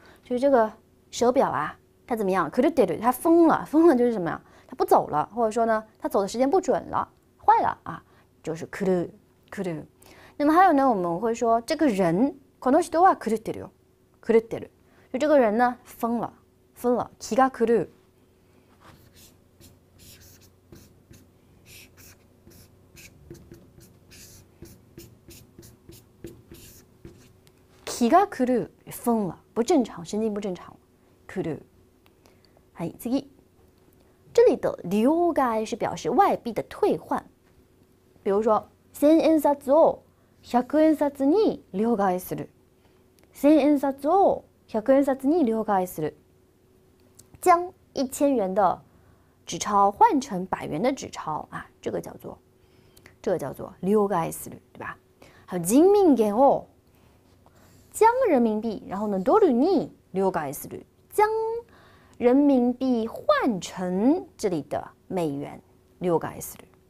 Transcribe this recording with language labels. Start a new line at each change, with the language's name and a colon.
Chinese: 就是这个手表啊，它怎么样？狂ってる，它疯了，疯了就是什么呀？它不走了，或者说呢，它走的时间不准了，坏了啊，就是狂る。那么还有呢，我们会说这个人，
Japanese: この人は狂ってるよ，狂ってる。
Chinese: 就这个人呢，疯了，疯了，気が狂う。気が狂う、疯了，不正常，神经不正常，狂う。
Japanese: はい、次。
Chinese: 这里的両替是表示外币的退换。
Japanese: 比如说，千円札を百円札に両替する。千円札を百円札に両替する。
Chinese: 将一千元的纸钞换成百元的纸钞啊，这个叫做両替する，对吧？还有人民元を。将人民币，然后呢，
Japanese: ドルに両替する，
Chinese: 将人民币换成这里的美元，両替する。